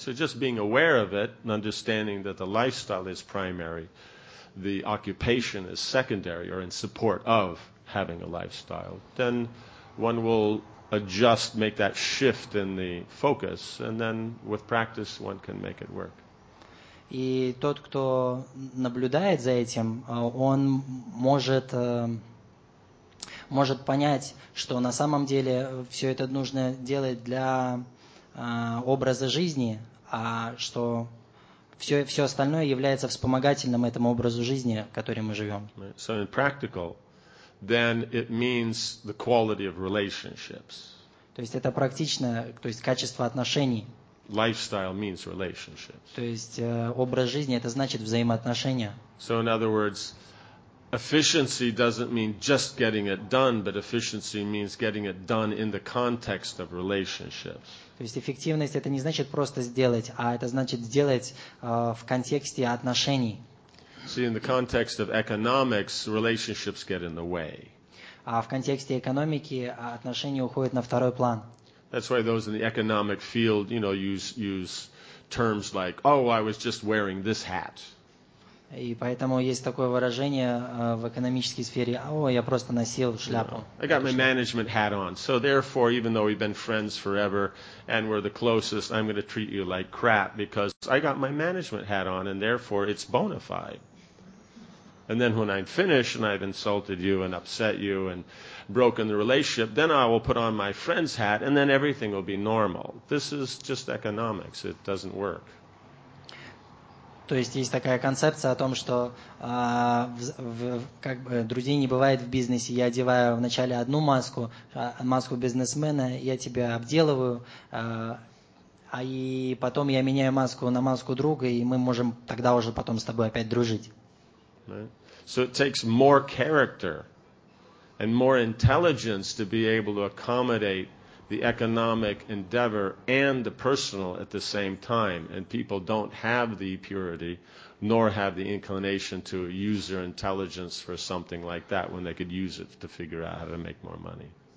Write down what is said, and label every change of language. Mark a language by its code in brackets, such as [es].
[en] So just being aware of it and understanding that the lifestyle is primary, the occupation is secondary or in support of having a lifestyle, then one will adjust, make that shift in the focus, and then with practice one can make it work. [ru] И тот, кто наблюдает за этим, он может понять, что на самом деле все это нужно делать для образа жизни, а что все остальное является вспомогательным этому образу жизни, в котором мы живем. [en] So in practical, then it means the quality of relationships. [ru] То есть это практично, то есть качество отношений. [en] Lifestyle means relationships. [ru] То есть образ жизни это значит взаимоотношения. [en] So in other words, efficiency doesn't mean just getting it done, but efficiency means getting it done in the context of relationships. [ru] То есть эффективность это не значит просто сделать, а это значит сделать в контексте отношений. [en] See, in the context of economics, relationships get in the way. [ru] А в контексте экономики отношения уходят на второй план. [en] That's why those in the economic field, you know, use terms like, "Oh, I was just wearing this hat." [ru] И поэтому есть такое выражение в экономической сфере: «О, я просто носил шляпу». [en] I got my management hat on. So therefore, even though we've been friends forever and we're the closest, I'm going to treat you like crap because I got my management hat on, and therefore it's bona fide. And then when I'm finished and I've insulted you and upset you and broken the relationship, then I will put on my friend's hat, and then everything will be normal. This is just economics. It doesn't work. [ru] То есть есть такая концепция о том, что как бы, друзей не бывает в бизнесе. Я одеваю вначале одну маску, маску бизнесмена, я тебя обделываю, а и потом я меняю маску на маску друга, и мы можем тогда уже потом с тобой опять дружить. [en] So it takes more character and more intelligence to be able to accommodate the economic endeavor and the personal at the same time, and people don't have the purity nor have the inclination to use their intelligence for something like that when they could use it to figure out how to make more money.